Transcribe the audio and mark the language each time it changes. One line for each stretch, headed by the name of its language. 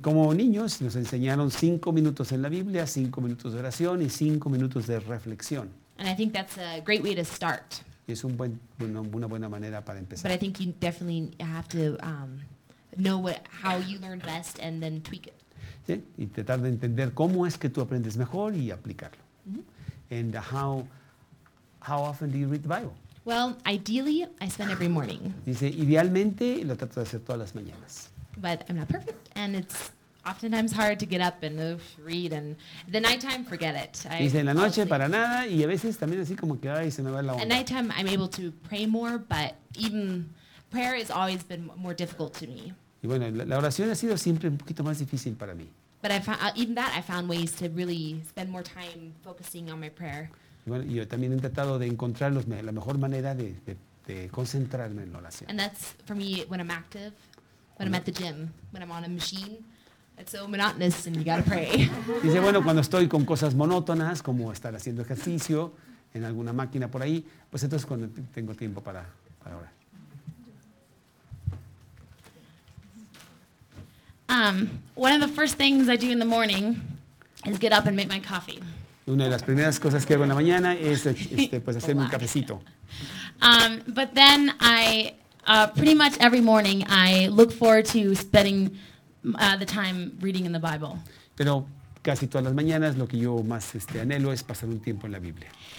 Spanish: Como niños nos enseñaron 5 minutos en la Biblia, 5 minutos de oración y 5 minutos de reflexión.
English: And I think that's a great way to start.
Spanish: Es un una buena manera para empezar.
English: But I think you definitely have to know how you learn best and then tweak it.
Spanish: Sí, y tratar de entender cómo es que tú aprendes mejor y aplicarlo. Mm-hmm.
English: And how often do you read the Bible? Well, ideally, I spend every morning.
Spanish: Dice, idealmente, lo trato de hacer todas las mañanas.
English: But I'm not perfect, and it's oftentimes hard to get up and read, and the nighttime, forget it.
Spanish: Dice, en la noche, para nada, y a veces también así como que, ay, se me va la onda.
English: At nighttime, I'm able to pray more, but even prayer has always been more difficult to me.
Spanish: Y bueno, la oración ha sido siempre un poquito más difícil para mí.
English: But I found ways to really spend more time focusing on my prayer.
Spanish: Bueno, yo también he tratado de encontrar la mejor manera de concentrarme en la oración.
English: And that's for me when I'm active, when I'm at the gym, when I'm on a machine. It's so monotonous and you gotta pray.
Spanish: Dice, bueno, cuando estoy con cosas monótonas, como estar haciendo ejercicio en alguna máquina por ahí, pues entonces cuando tengo tiempo para orar.
English: One of the first things I do in the morning is get up and make my coffee.
Spanish: Una de las primeras cosas que hago en la mañana es pues hacerme un cafecito.
English: But then I pretty much every morning I look forward to spending the time reading in the Bible.
Spanish: Pero casi todas las mañanas lo que yo más anhelo es pasar un tiempo en la Biblia.